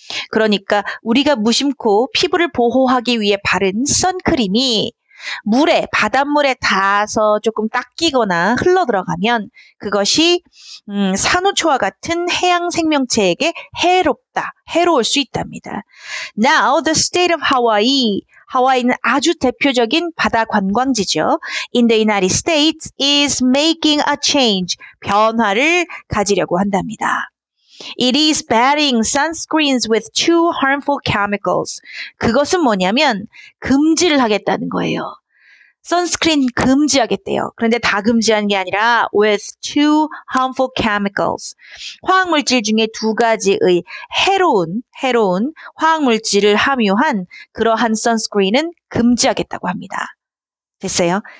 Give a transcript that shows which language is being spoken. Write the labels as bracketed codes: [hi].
[ko] 그러니까 우리가 무심코 피부를 보호하기 위해 바른 선크림이 물에, 바닷물에 닿아서 조금 닦이거나 흘러들어가면 그것이 산호초와 같은 해양 생명체에게 해롭다, 해로울 수 있답니다. [en] Now the state of Hawaii. [ko] 하와이는 아주 대표적인 바다 관광지죠. [en] In the United States is making a change. [ko] 변화를 가지려고 한답니다. [en] It is banning sunscreens with two harmful chemicals. [ko] 그것은 뭐냐면 금지를 하겠다는 거예요. 선스크린 금지하겠대요. 그런데 다 금지하는 게 아니라 [en] with two harmful chemicals. [ko] 화학물질 중에 두 가지의 해로운 화학물질을 함유한 그러한 선스크린은 금지하겠다고 합니다. 됐어요?